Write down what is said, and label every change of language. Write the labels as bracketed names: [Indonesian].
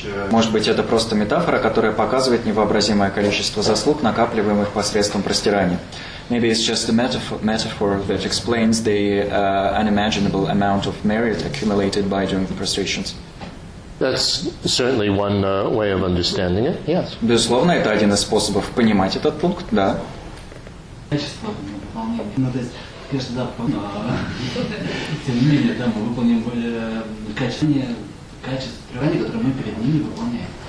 [Russian] Может быть, это просто метафора, которая показывает невообразимое количество заслуг, накапливаемых посредством простирания. [English] Maybe it's just a metaphor that explains the unimaginable amount of merit accumulated by doing the prostrations. That's certainly one way of understanding it. Yes. [Russian] Безусловно, это один из способов понимать этот пункт, да. Тем не менее, да, мы выполним более качество прерывания, которое мы перед ними выполняем.